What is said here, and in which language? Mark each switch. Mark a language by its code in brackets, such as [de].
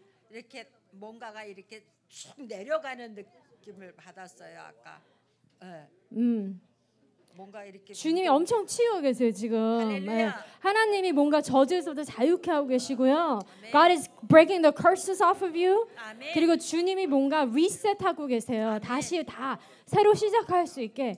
[ko] 이렇게 뭔가가 이렇게 쭉 내려가는 느낌을 받았어요 아까. 뭔가 이렇게 주님이 엄청 치유하고 계세요 지금. 네. 하나님이 뭔가 저주에서부터 자유케 하고 계시고요. 아멘. [en] God is breaking the curses off of you. [ko] 아멘. 그리고 주님이 뭔가 리셋하고 계세요. 아멘. 다시 다 새로 시작할 수 있게.